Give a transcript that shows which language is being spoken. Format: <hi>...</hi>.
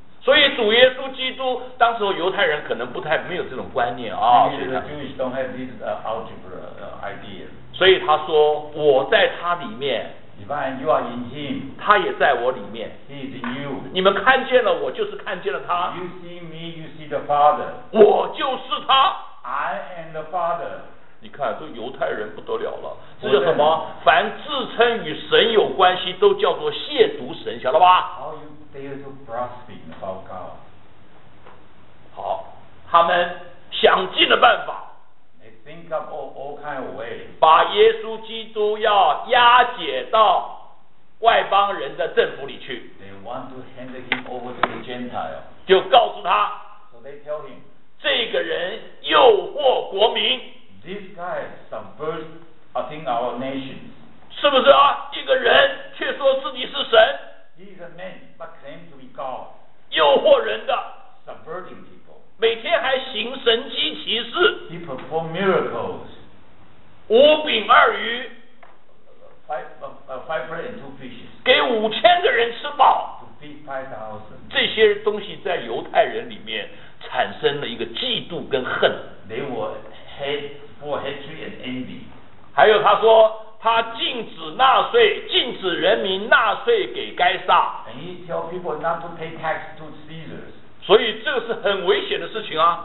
<zh>所以主耶稣基督当时候犹太人可能不太没有这种观念啊。</zh> <en>Maybe the Jewish don't have this algebra idea.</en> <zh>所以他说我在他里面。</zh> <en>Divine, you are in him.</en> <zh>他也在我里面。</zh> <en>He is in you.</en> <zh>你们看见了我，就是看见了他。</zh> <en>You see me, you see the Father.</en> <zh>我就是他。</zh> <en>I am the Father.</en> <zh>你看，这犹太人不得了了，这叫什么？凡自称与神有关系，都叫做亵渎神，晓得吧</zh> <en>？How you dare to blaspheme about God?</en> <zh>好，他们想尽了办法。</zh> <en>They think up all kind of ways.</en> <zh>把耶稣基督要押解到外邦人的政府里去。</zh> <en>They want to hand him over to the Gentile.</en> <zh>就告诉他。</zh> <en>So they tell him.</en> <zh>这个人诱惑国民。</zh> <en>This guy subverts our nation.</en> <zh>是不是啊？一个人却说自己是神。</zh> <en>He's a man, but claims to be God.</en> <zh>诱惑人的。</zh> <en>Subverting people.</en> <zh>每天还行神迹奇事。</zh> <en>He performs miracles.</en> <zh>五饼二鱼</zh> <en>five bread and two fishes,</en> <zh>给五千个人吃饱</zh> <en>to feed 5,000.</en> <zh>这些东西在犹太人里面产生了一个嫉妒跟恨</zh> <en>They were hate for hatred and envy.</en> <zh>还有他说他禁止纳税禁止人民纳税给该撒</zh> <en>And he tell people not to pay tax to Caesar.</en> <zh>所以这个是很危险的事情啊</zh>